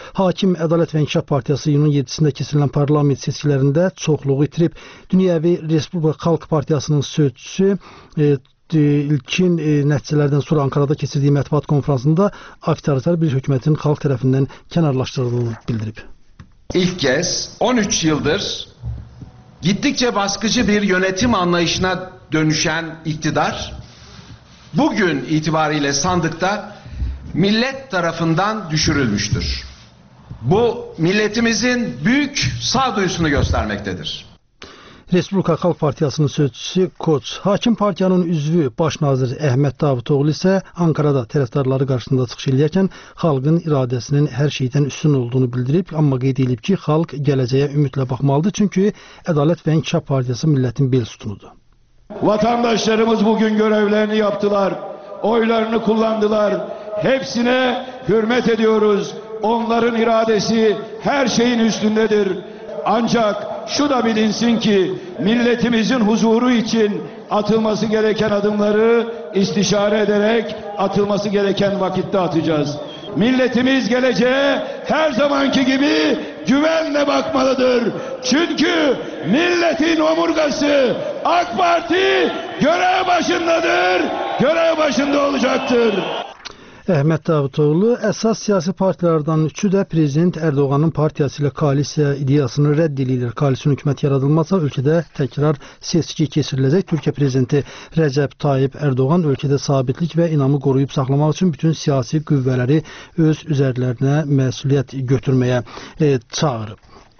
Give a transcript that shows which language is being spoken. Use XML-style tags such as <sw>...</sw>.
<az>Hakim Ədalət və İnkişaf Partiyası iyunun 7-sində keçirilən parlament seçkilərində çoxluğu itirib. Dünyəvi Respublika Xalq Partiyasının sözçüsü ilkin nəticələrdən sonra Ankara'da keçirdiyi mətbuat konferansında avtoritar bir hökumətin xalq tərəfindən kənarlaşdırıldığını bildirib.</az> <tr>İlk kez 13 yıldır gittikçe baskıcı bir yönetim anlayışına dönüşen iktidar bugün itibariyle sandıkta millet tarafından düşürülmüştür. Bu milletimizin büyük sağduyusunu göstermektedir.</tr> <az>Respublika Xalq Partiyasının sözçüsü Koç, Hakim Partiyanın üzvü Başnazir Əhməd Davutoğlu isə Ankara'da tərəfdarları qarşısında çıxış edərkən xalqın iradəsinin hər şeydən üstün olduğunu bildirib, amma qeyd edib ki, xalq gələcəyə ümidlə baxmalıdır, çünki Ədalət və İnkişaf Partiyası millətin bel sütunudur.</az> <tr>Vatandaşlarımız bugün görevlerini yaptılar, oylarını kullandılar. Hepsine hürmet ediyoruz. Onların iradesi her şeyin üstündedir. Ancak şu da bilinsin ki milletimizin huzuru için atılması gereken adımları istişare ederek atılması gereken vakitte atacağız. Milletimiz geleceğe her zamanki gibi güvenle bakmalıdır. Çünkü milletin omurgası AK Parti görev başındadır, görev başında olacaktır.</tr> <az>Əhməd Davutoğlu əsas siyasi partilərdən üçü də Prezident Erdoğanın partiyası ilə koalisiya ideyasını rədd edilir. Koalisiyon hükümət yaradılmazsa ölkədə təkrar seçki keçiriləcək. Türkiyə Prezidenti Rəcəb Tayyip Erdoğan ölkədə sabitlik və inamı qoruyub saxlamaq üçün bütün siyasi qüvvələri öz üzərlərinə məsuliyyət götürməyə çağırıb.</az>